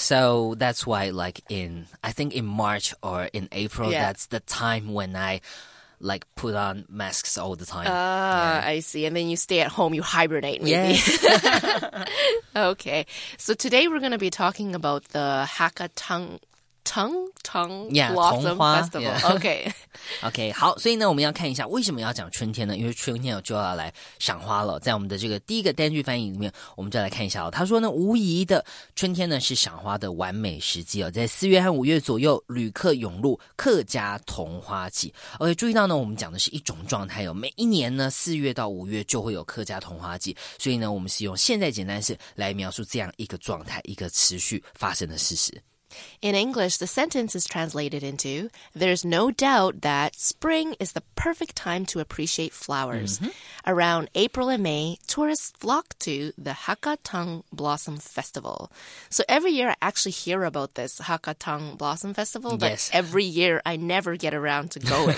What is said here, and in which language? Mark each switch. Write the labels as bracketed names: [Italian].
[English] So that's why, I think in March or in April, that's the time when I put on masks all the time. I see. And then you stay at home, you hibernate, maybe. Yes. Okay. So today we're going to be talking about the Hakka Tongue Blossom Festival. Yeah. Okay. [Chinese] Okay, 好，所以呢，我们要看一下为什么要讲春天呢？因为春天就要来赏花了。在我们的这个第一个单句翻译里面，我们就来看一下哦。他说呢，无疑的，春天呢是赏花的完美时机哦。在四月和五月左右，旅客涌入客家桐花季。 OK， 注意到呢，我们讲的是一种状态哦。每一年呢，四月到五月就会有客家桐花季，所以呢，我们是用现在简单式来描述这样一个状态，一个持续发生的事实。 [English] In English, the sentence is translated into, there's no doubt that spring is the perfect time to appreciate flowers. Mm-hmm. Around April and May, tourists flock to the Hakka Tongue Blossom Festival. So every year I actually hear about this Hakka Tongue Blossom Festival, but every year I never get around to going.